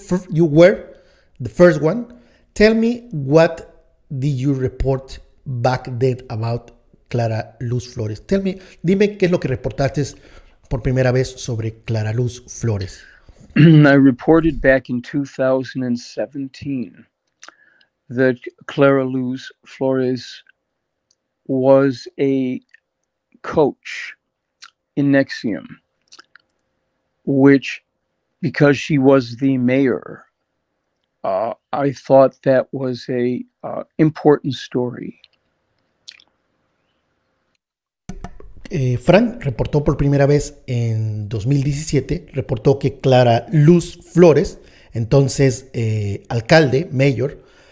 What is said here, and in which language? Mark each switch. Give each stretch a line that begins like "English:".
English: You were the first one. Tell me, what did you report back then about Clara Luz Flores? Tell me,
Spanish: dime qué es lo que reportaste por primera vez sobre Clara Luz Flores.
English: I reported back in 2017 that Clara Luz Flores was a coach in Nexium, which, because she was the mayor, I thought that was a important story.
Spanish: Frank reportó por primera vez en 2017, reportó que Clara Luz Flores, entonces alcalde, mayor,